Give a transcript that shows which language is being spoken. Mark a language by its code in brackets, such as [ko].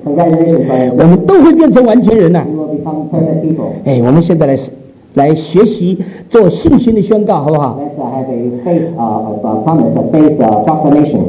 [en] Congratulations, brother. [zh] 我们都会变成完全人了。 [en] We will become perfect people. [zh] 我们现在来学习做信心的宣告，好不好？ [en] Let's have a faith promise, a faith proclamation.